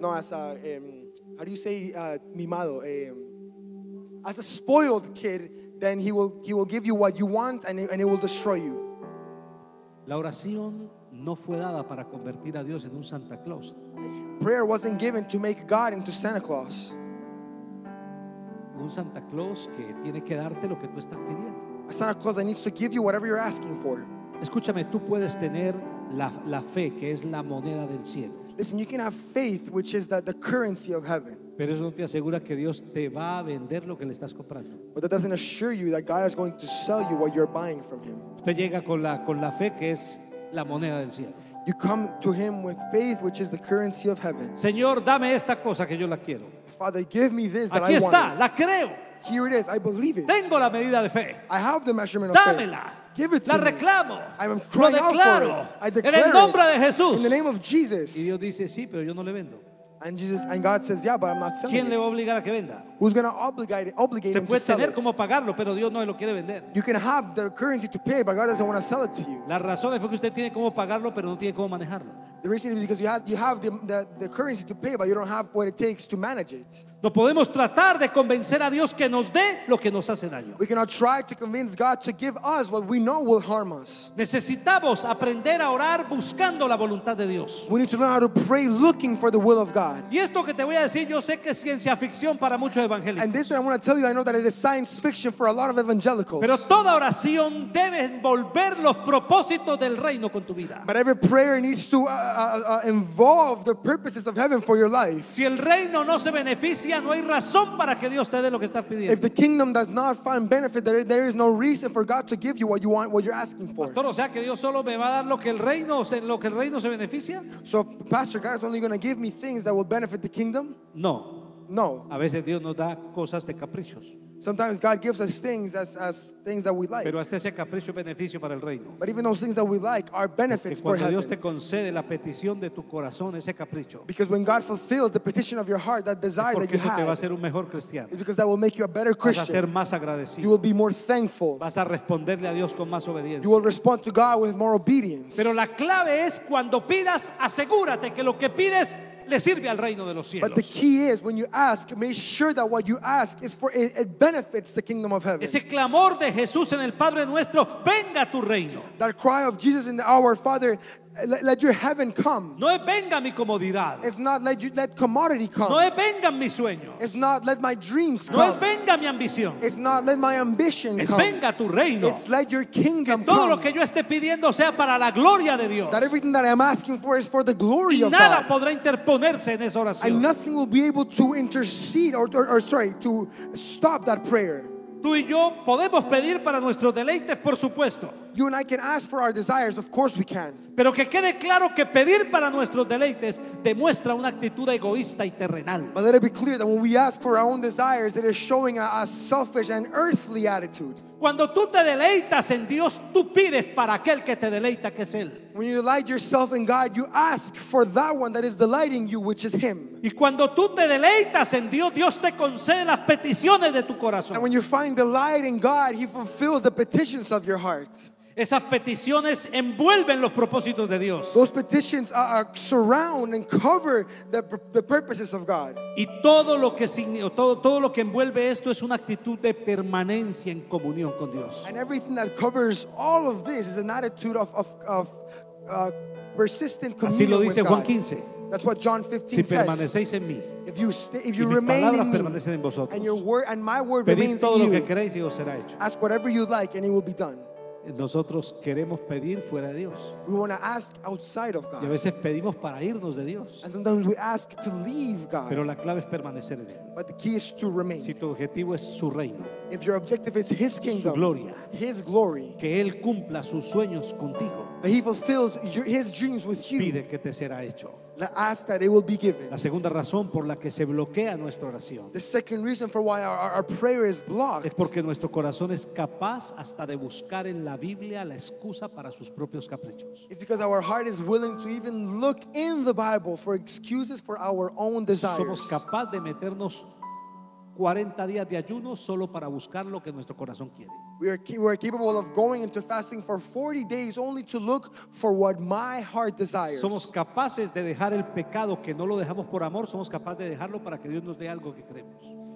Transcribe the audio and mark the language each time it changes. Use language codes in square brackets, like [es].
[en] No, as a how do you say mimado? As a spoiled kid, then he will give you what you want and it will destroy you. [es] La oración no fue dada para convertir a Dios en un Santa Claus. [en] Prayer wasn't given to make God into Santa Claus. [es] Un Santa Claus que tiene que darte lo que tú estás pidiendo. [en] A Santa Claus that needs to give you whatever you're asking for. [es] Escúchame, tú puedes tener la fe, que es la moneda del cielo. [en] Listen, you can have faith, which is the currency of heaven. [es] Pero eso no te asegura que Dios te va a vender lo que le estás comprando. [en] But that doesn't assure you that God is going to sell you what you're buying from Him. [es] Usted llega con la fe, que es la moneda del cielo. [en] You come to Him with faith, which is the currency of heaven. [es] Señor, dame esta cosa que yo la quiero. [en] Father, give me this that I want. [es] Aquí está, la creo. [en] Here it is, I believe it. [es] Tengo la medida de fe. [en] I have the measurement of [es] Dámela. [en] Faith. Give it to [es] La reclamo. [en] Me. I'm crying [es] Lo declaro. [en] Out for it. I declare [es] en el nombre de Jesús. [en] It in the name of Jesus. [es] Y Dios dice, sí, pero yo no le vendo. [en] And Jesus and God says, yeah, but I'm not selling [es] ¿Quién [en] it. [es] Le va a obligar a que venda? [en] Who's going to obligate [es] Usted [en] him [es] puede [en] to sell [es] tener [en] it? [es] Cómo pagarlo, pero Dios no lo quiere vender. [en] You can have the currency to pay, but God doesn't want to sell it to you. [es] La razón es porque usted tiene cómo pagarlo, pero no tiene cómo manejarlo. [en] The reason is because you have the currency to pay, but you don't have what it takes to manage it. [es] No podemos tratar de convencer a Dios que nos dé lo que nos hace daño. [en] We cannot try to convince God to give us what we know will harm us. [es] Necesitamos aprender a orar buscando la voluntad de Dios. [en] We need to learn how to pray looking for the will of God. [es] Y esto que te voy a decir, yo sé que es ciencia ficción para muchos evangélicos. [en] And this one I want to tell you, I know that it is science fiction for a lot of evangelicals. [es] Pero toda oración debe envolver los propósitos del reino con tu vida. [en] But every prayer needs to involve the purposes of heaven for your life. [es] Si el reino no se beneficia, no hay razón para que Dios te dé lo que estás pidiendo. [en] If the kingdom does not find benefit, there is no reason for God to give you what you want, what you're asking for. [es] Pastor, o sea que Dios solo me va a dar lo que el reino se beneficia. [en] So, pastor, God is only going to give me things that will benefit the kingdom? [es] No. [en] No. [es] A veces Dios nos da cosas de caprichos. [en] Sometimes God gives us things as things that we like. [es] Pero hasta ese capricho es beneficio para el reino. [en] But even those things that we like are benefits for heaven. [es] Dios te concede la petición de tu corazón, ese capricho. [en] Because when God fulfills the petition of your heart, that desire that you have, [es] porque eso te va a hacer un mejor cristiano. [en] It's because that will make you a better Christian. [es] Vas a ser más agradecido. [en] You will be more thankful. [es] Vas a responderle a Dios con más obediencia. [en] You will respond to God with more obedience. [es] Pero la clave es cuando pidas, asegúrate que lo que pides le sirve al reino de los cielos. [en] But the key is when you ask, make sure that what you ask is for it benefits the kingdom of heaven. [es] Ese clamor de Jesús en el Padre Nuestro, venga tu reino. [en] That cry of Jesus in our Father, let your heaven come. [es] No es venga mi comodidad. [en] It's not let commodity come. [es] No es vengan mis sueños. [en] It's not let my dreams come. [es] No es venga mi ambición. [en] It's not let my ambition [es] es [en] come. [es] Venga tu reino. [en] It's let your kingdom [es] que todo [en] come. [es] Lo que yo esté pidiendo sea para la gloria de Dios. [en] That everything that I'm asking for is for the glory [es] y [en] of God. [es] Nada podrá interponerse en esa oración. [en] And nothing will be able to intercede to stop that prayer. [es] Tú y yo podemos pedir para nuestros deleites, por supuesto. [en] You and I can ask for our desires. Of course we can. [es] Pero que quede claro que pedir para nuestros deleites demuestra una actitud egoísta y terrenal. [en] But let it be clear that when we ask for our own desires, it is showing a selfish and earthly attitude. [es] Cuando tú te deleitas en Dios, tú pides para aquel que te deleita, que es él. [en] When you delight yourself in God, you ask for that one that is delighting you, which is Him. [es] Y cuando tú te deleitas en Dios, Dios te concede las peticiones de tu corazón. [en] And when you find delight in God, He fulfills the petitions of your heart. [es] Esas peticiones envuelven los propósitos de Dios. [en] Those petitions surround and cover the purposes of God. [es] Y todo lo que envuelve esto es una actitud de permanencia en comunión con Dios. [en] And everything that covers all of this is an attitude of persistent communion. [es] Así lo dice Juan 15. [en] That's what John 15 says. [es] Si permanecéis en mí, [en] if you remain in me, and your word and my word remains in you, ask whatever you like and it will be done. [es] Nosotros queremos pedir fuera de Dios. [en] We want to ask outside of God. [es] Y a veces pedimos para irnos de Dios. [en] And sometimes we ask to leave God. [es] Pero la clave es permanecer en él. [en] But the key is to remain. [es] Si tu objetivo es su reino. [en] If your objective is His kingdom. [es] Su gloria. [en] His glory. [es] Que él cumpla sus sueños contigo. [en] That He fulfills His dreams with you. [es] Pide que te será hecho. [en] Ask that it will be given. [es] La segunda razón por la que se bloquea nuestra oración. [en] The second reason for why our prayer is blocked. [es] Es porque nuestro corazón es capaz hasta de buscar en la Biblia la excusa para sus propios caprichos. [en] It's because our heart is willing to even look in the Bible for excuses for our own desires. [es] Somos capaz de meternos 40 días de ayuno solo para buscar lo que nuestro corazón quiere. [en] We are capable of going into fasting for 40 days only to look for what my heart desires. [es] Somos capaces de dejar el pecado que no lo dejamos por amor, somos capaces de dejarlo para que Dios nos dé algo que queremos.